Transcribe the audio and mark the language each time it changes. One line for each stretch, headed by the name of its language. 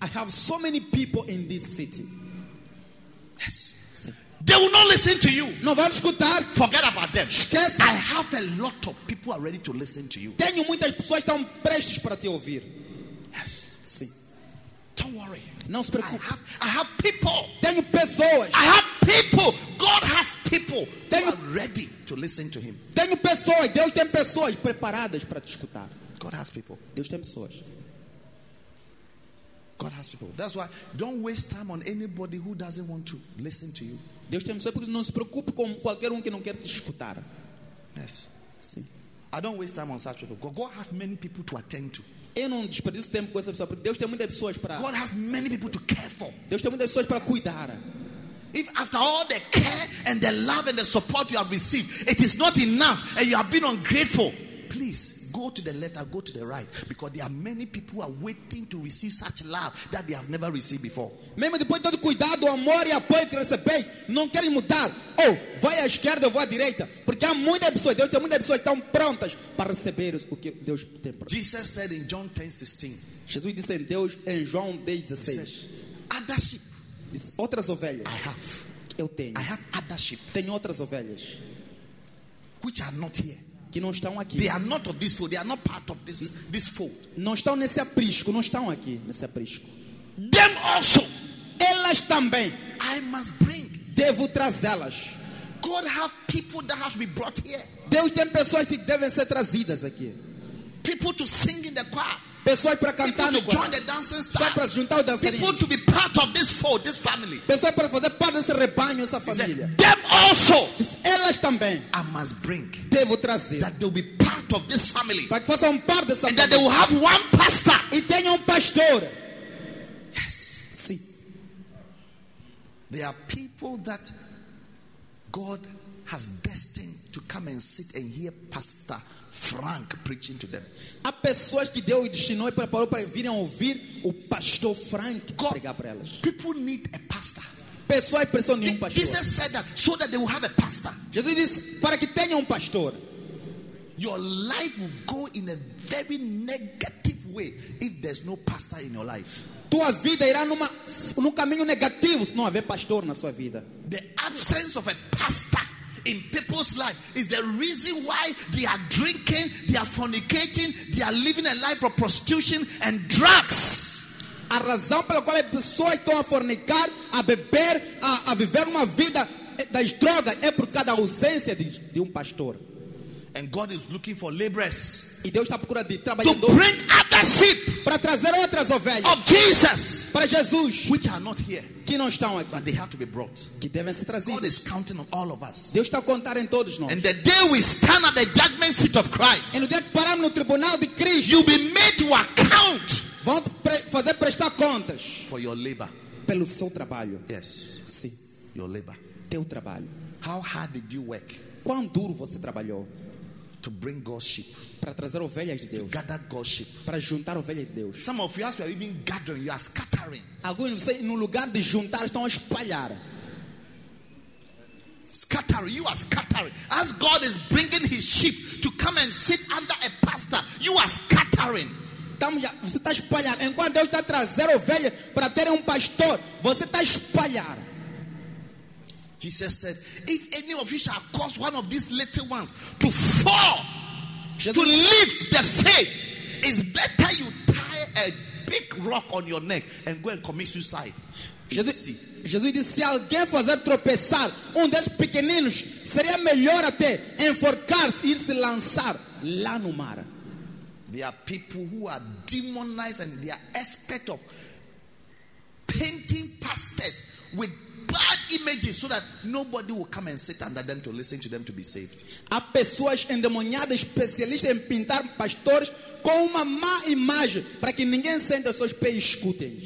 English: I have so many people in this city. Yes. They will not listen to you.
Portuguese: Não vão escutar.
English: Forget about them.
Portuguese: Esquece.
English: I have a lot of people who are ready to listen to you.
Portuguese: Tenho muitas pessoas que estão prestes para te ouvir.
English: Yes.
Portuguese: Sim.
English: Don't worry.
Portuguese: Não se preocupe.
English: I have people.
Portuguese: Tenho pessoas.
English: I have people. God has people.
Portuguese: Tenho
English: who are ready to listen to him.
Portuguese: Tenho pessoas. Deus tem pessoas preparadas para te escutar.
English: God has people.
Portuguese: Deus tem pessoas.
English: God has people. That's why don't waste time on anybody who doesn't want to listen to you.
Portuguese: Deus tem pessoas. Não se preocupe com qualquer que não quer te escutar.
English: Yes.
Portuguese: Sim.
English: I don't waste time on such people. God has many people to attend to.
Portuguese: Eu não desperdiço tempo com essa pessoa, porque Deus tem muitas pessoas para.
English: God has many people to care for.
Portuguese: Deus tem muitas pessoas para cuidar.
English: If after all the care and the love and the support you have received, it is not enough and you have been ungrateful, please go to the left or go to the right, because there are many people who are waiting to receive such love that they have never received before.
Portuguese: Mesmo depois de todo cuidado, amor e apoio que recebem, não querem mudar. Oh, vai à esquerda ou vai à direita, porque há muitas pessoas. Deus tem muitas pessoas que estão prontas para receber o que Deus tem para.
English: Jesus said in John 10:16.
Portuguese: Jesus disse em João 10:16.
English: Other sheep.
Portuguese: Outras ovelhas.
English: I have.
Portuguese: Eu tenho.
English: I have other sheep.
Portuguese: Tenho outras ovelhas.
English: Which are not here.
Portuguese: Que não estão aqui.
English: They are not of this fold. They are not part of this fold.
Portuguese: Não estão nesse aprisco. Não estão aqui nesse aprisco.
English: Them also.
Portuguese: Elas também.
English: I must bring.
Portuguese: Devo trazê-las.
English: God have people that have to be brought here.
Portuguese: Deus tem pessoas que devem ser trazidas aqui.
English: People to sing in the choir.
Portuguese: Pessoas para cantar
English: people
Portuguese: no choir.
English: To join the dancing staff.
Portuguese: Pessoas para juntar o dançarino.
English: People to be part of this fold, this family.
Portuguese: Pessoas para fazer parte desse rebanho, essa família.
English: Them also.
Portuguese: Elas também.
English: I must bring.
Portuguese: Devo trazer.
English: That they will be part of this family.
Portuguese: Para que façam parte dessa família.
English: And that they will have one pastor.
Portuguese: E tenham pastor.
English: Yes.
Portuguese: Sim.
English: There are people that God has destined to come and sit and hear Pastor Frank preaching to them.
Portuguese: Há pessoas que Deus destinou e preparou para virem ouvir o Pastor Frank pregar para elas.
English: People need a pastor.
Portuguese: Pessoas precisam de um pastor.
English: Jesus said that so that they will have a pastor.
Portuguese: Jesus disse para que tenham um pastor.
English: Your life will go in a very negative way if there's no pastor in your life.
Portuguese: Tua vida irá num caminho negativo se não haver pastor na sua vida.
English: The absence of a pastor in people's life is the reason why they are drinking, they are fornicating, they are living a life of prostitution and drugs.
Portuguese: A razão pela qual as pessoas estão a fornicar, a beber, a viver uma vida das drogas é por causa da ausência de um pastor.
English: And God is looking for laborers.
Portuguese: E Deus está à procura de trabalhadores.
English: To bring other sheep.
Portuguese: Para trazer outras ovelhas.
English: Of Jesus.
Portuguese: Para Jesus.
English: Which are not here.
Portuguese: Que não estão aqui.
English: But they have to be brought.
Portuguese: Que devem ser trazidos.
English: God is counting on all of us.
Portuguese: Deus está a contar em todos nós.
English: And the day we stand at the judgment seat of Christ.
Portuguese: E no dia que paramos no tribunal de Cristo.
English: You'll be made to account.
Portuguese: Vão te fazer prestar contas.
English: For your labor.
Portuguese: Pelo seu trabalho.
English: Yes.
Portuguese: Sim.
English: Your labor.
Portuguese: Teu trabalho.
English: How hard did you work?
Portuguese: Quão duro você trabalhou?
English: To bring God's sheep.
Portuguese: Para trazer ovelhas de Deus.
English: To gather God's sheep.
Portuguese: Para juntar ovelhas de Deus.
English: Some of you are even gathering, you are scattering.
Portuguese: Alguns de vocês, no lugar de juntar, estão a espalhar.
English: Scattering, you are scattering. As God is bringing his sheep to come and sit under a pastor, you are scattering.
Portuguese: Você está a espalhar. Enquanto Deus está a trazer ovelhas para ter um pastor, você está a espalhar.
English: Jesus said, if any of you shall cause one of these little ones to fall, Jesus, to lift the faith, it's better you tie a big rock on your neck and go and commit suicide.
Portuguese: Jesus disse, se alguém fazer tropeçar um desses pequeninos, seria melhor até enforcar-se e se lançar lá no mar.
English: There are people who are demonized and they are expert of painting pastors with bad images so that nobody will come and sit under them to listen to them to be saved.
Portuguese: Há pessoas endemoniadas especialistas em pintar pastores com uma má imagem para que ninguém sente os seus pés e escutem.